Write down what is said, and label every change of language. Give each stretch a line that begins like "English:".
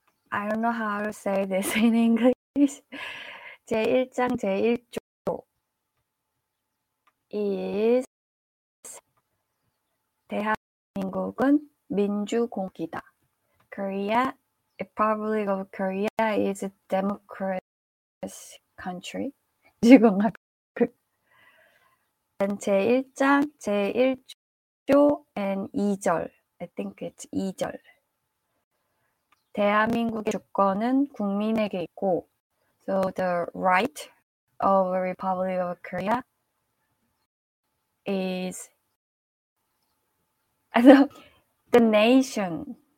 English: I don't know how to say this in English.
Korean: 제1장 제1조
English: is
Korean: 대한민국은 민주공국이다.
English: Korea, the Republic of Korea is a democracy country.
Korean: 민주공화국. 제1장, 제1조,
English: and
Korean: 2절.
English: I think it's 2절.
Korean: 대한민국의 주권은 국민에게 있고,
English: so the right of the Republic of Korea is the nation.